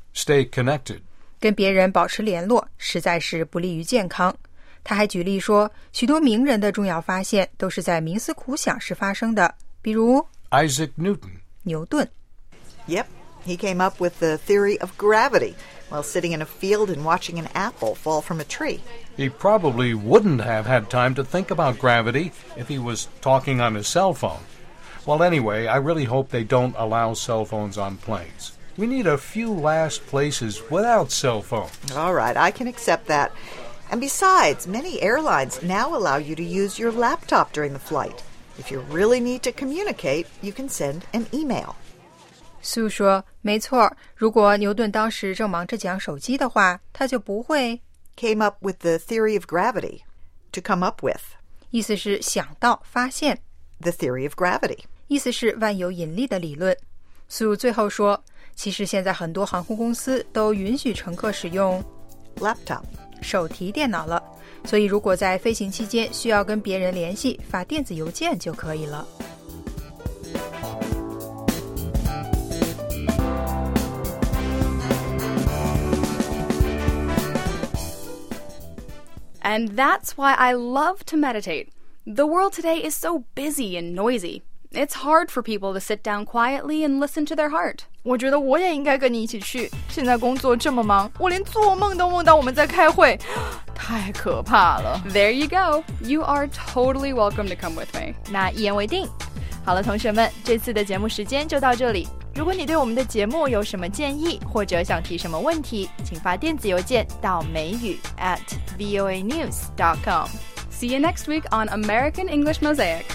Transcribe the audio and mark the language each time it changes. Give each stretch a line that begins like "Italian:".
English: stay connected.
Chinese: 跟别人保持联络实在是不利于健康。他还举例说，许多名人的重要发现都是在冥思苦想时发生的，比如
English: Isaac Newton
Chinese: 牛顿。
English: Yep, he came up with the theory of gravity while sitting in a field and watching an apple fall from a tree. He probably wouldn't have had time to think about gravity if he was talking on his cell phone. Well, anyway, I really hope they don't allow cell phones on planes. We need a few last places without cell phones. All right, I can accept that. And besides, many airlines now allow you to use your laptop during the flight. If you really need to communicate, you can send an email.
Chinese: Sue 说，没错，如果牛顿当时正忙着讲手机的话，他就不会
English: came up with the theory of gravity to come up with.
Chinese: 意思是想到发现
English: the theory of gravity.
Chinese: 意思是万有引力的理论。Sue 最后说其实现在很多航空公司都允许乘客使用
English: laptop
Chinese: 手提电脑了，所以如果在飞行期间需要跟别人联系，发电子邮件就可以了。
English: And that's why I love to meditate. The world today is so busy and noisy. It's hard for people to sit down quietly and listen to their heart.
Chinese: 我觉得我也应该跟你一起去。现在工作这么忙，我连做梦都梦到我们在开会，太可怕了。
English: There you go. You are totally welcome to come with me.
Chinese: 那一言为定。好了，同学们，这次的节目时间就到这里。如果你对我们的节目有什么建议，或者想提什么问题，请发电子邮件到美语@voanews.com.
English: See you next week on American English Mosaic.